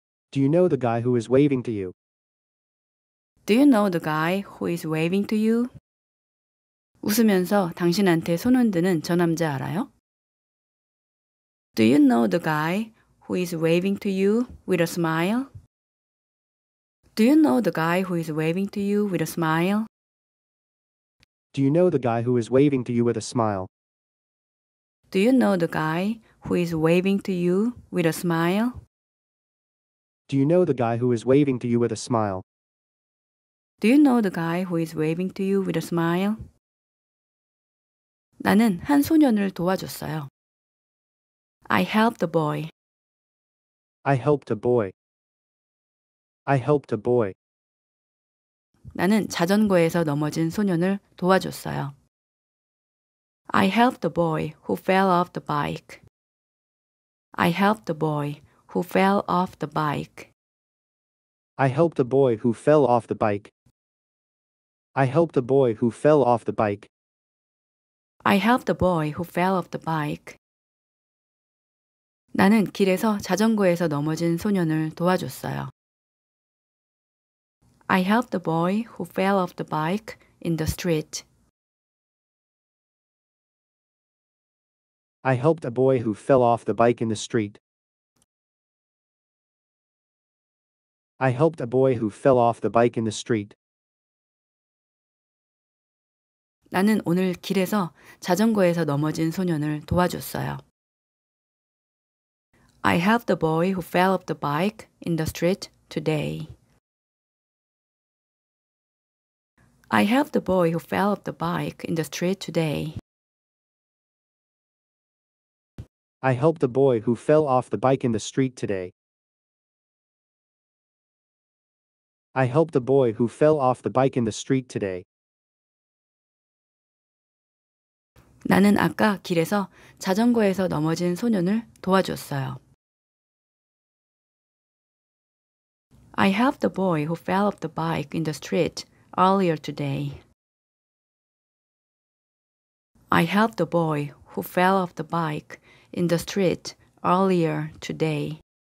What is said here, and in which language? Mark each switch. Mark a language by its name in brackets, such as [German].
[English] Do you know the guy who is waving to you? Do you know the guy who is waving to you? [Korean] 웃으면서 당신한테 손 흔드는 저 남자 알아요? [English] Do you know the guy who is waving to you with a smile? Do you know the guy who is waving to you with a smile? Do you know the guy who is waving to you with a smile? Do you know the guy who is waving to you with a smile? Do you know the guy who is waving to you with a smile? Do you know the guy who is waving to you with a smile? [Korean] 나는 한 소년을 도와줬어요. [English] I helped a boy. I helped a boy. I helped a boy. [Korean] 나는 자전거에서 넘어진 소년을 도와줬어요. [English] I helped a boy who fell off the bike. I helped a boy who fell off the bike. I helped a boy who fell off the bike. I helped a boy who fell off the bike. I helped a boy who fell off the bike. [Korean] 나는 길에서 자전거에서 넘어진 소년을 도와줬어요. [English] I helped the boy who fell off the bike in the street. I helped a boy who fell off the bike in the street. I helped a boy who fell off the bike in the street. [Korean] 나는 오늘 길에서 자전거에서 넘어진 소년을 도와줬어요. [English] I helped the boy who fell off the bike in the street today. I helped the boy who fell off the bike in the street today. I helped the boy who fell off the bike in the street today. I helped the boy who fell off the bike in the street today. [Korean] 나는 아까 길에서 자전거에서 넘어진 소년을 도와줬어요. [English] I helped the boy who fell off the bike in the street earlier today. I helped the boy who fell off the bike in the street earlier today.